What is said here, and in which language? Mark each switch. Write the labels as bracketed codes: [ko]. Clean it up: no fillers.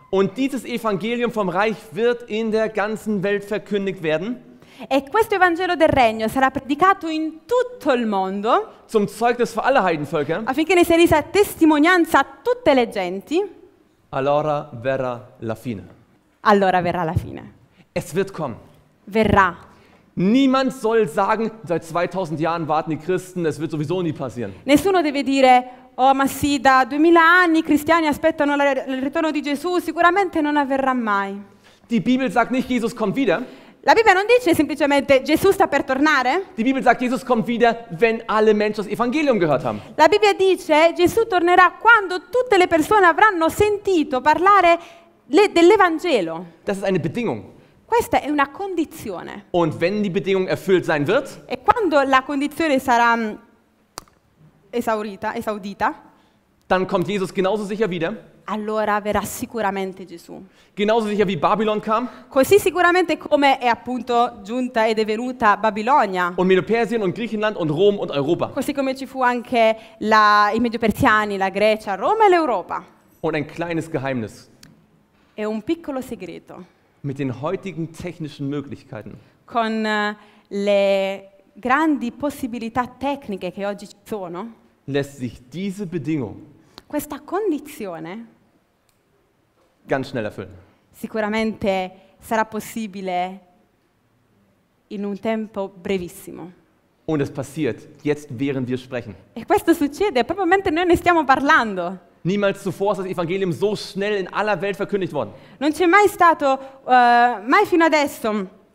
[de] Und dieses Evangelium vom Reich wird in der ganzen Welt verkündigt werden. [it] E questo Evangelo del Regno sarà predicato in tutto il mondo. [de] Zum Zeugnis für alle Heidenvölker. [it] Affinché ne sia resa testimonianza a tutte le genti. Allora verrà la fine. Allora verrà la fine. [de] Es wird kommen. [it] Verrà. [de] Niemand soll sagen, seit 2000 Jahren warten die Christen, es wird sowieso nie passieren. [it] Nessuno deve dire, oh ma sì, da 2000 anni i cristiani aspettano il ritorno di Gesù, sicuramente non avverrà mai. [de] Die Bibel sagt nicht, Jesus kommt wieder. [it] La Bibbia non dice semplicemente Gesù sta per tornare. [de] Die Bibel sagt, Jesus kommt wieder, wenn alle Menschen das Evangelium gehört haben. [it] La Bibbia dice Gesù tornerà quando tutte le persone avranno sentito parlare dell'Evangelo. [de] Das ist eine Bedingung. [it] Questa è una condizione. [de] Und wenn die Bedingung erfüllt sein wird? [it] E quando la condizione sarà esaudita? [de] Dann kommt Jesus genauso sicher wieder. [it] Allora verrà sicuramente Gesù. [de] Genauso sicher wie Babylon kam. [it] Così sicuramente come è appunto giunta ed è venuta Babilonia. [de] Und Medo-Persien und Griechenland und Rom und Europa. [it] Così come ci fu anche i Medo-Persiani, la Grecia, Roma e l'Europa. [de] Und ein kleines Geheimnis. [it] È un piccolo segreto. [de] Mit den heutigen technischen Möglichkeiten. [it] Con le grandi possibilità tecniche che oggi ci sono. [de] Lässt sich diese Bedingung. [it] Questa condizione [de] ganz schnell erfüllen. [it] Sicuramente sarà possibile in un tempo brevissimo. [de] Und es passiert, jetzt während wir sprechen. [it] E questo succede proprio mentre noi ne stiamo parlando. [de] Niemals zuvor ist das Evangelium so schnell in aller Welt verkündigt worden. [it] Non c'è mai stato, mai fino adesso,